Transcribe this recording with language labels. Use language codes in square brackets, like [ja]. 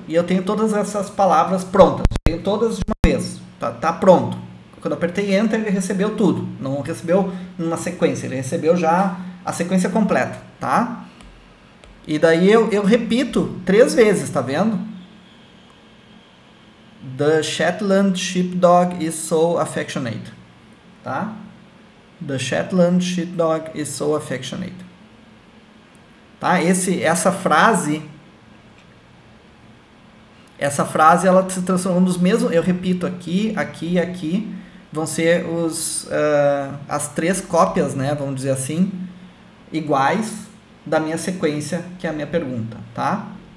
[pt] E eu tenho todas essas palavras prontas, tenho todas de uma vez, tá pronto. Quando apertei enter, ele recebeu tudo, não recebeu uma sequência, ele recebeu já a sequência completa, tá? E daí eu repito três vezes, tá vendo? [en] The Shetland Sheepdog is so affectionate, tá? The Shetland Sheepdog is so affectionate, tá? [pt] Essa frase ela se transformou nos mesmos. Eu repito aqui, aqui e aqui vão ser as três cópias, né? Vamos dizer assim. Iguais da minha sequência, que é a minha pergunta, tá?